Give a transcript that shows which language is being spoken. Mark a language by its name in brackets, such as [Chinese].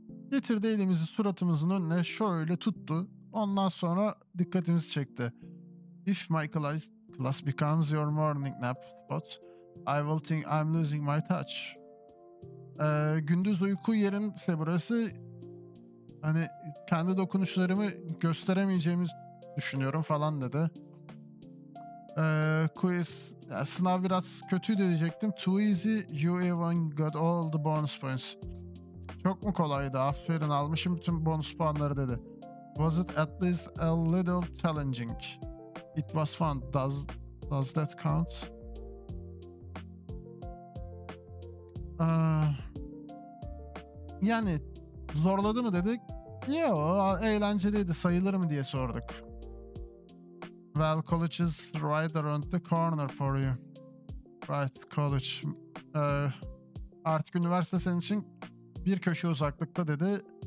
[Turkish] Getirdi elimizi suratımızın önüne şöyle tuttu. Ondan sonra dikkatimizi çekti. [English] If my class becomes your morning nap spot, I will think I'm losing my touch. [Turkish] Gündüz uyku yerinse burası, hani kendi dokunuşlarımı gösteremeyeceğimi düşünüyorum falan dedi. Quiz, yani sınav biraz kötü diyecektim. [English] Too easy, you even got all the bonus points. [Turkish] Çok mu kolaydı? Aferin, almışım tüm bonus puanları dedi. [English] Was it at least a little challenging? It was fun. Does that count? [Turkish] Yani zorladı mı dedik? Yo, eğlenceliydi, sayılır mı diye sorduk. [English] Well, college is right around the corner for you. Right, college. [Turkish] Artık üniversite senin için bir köşe uzaklıkta dedi.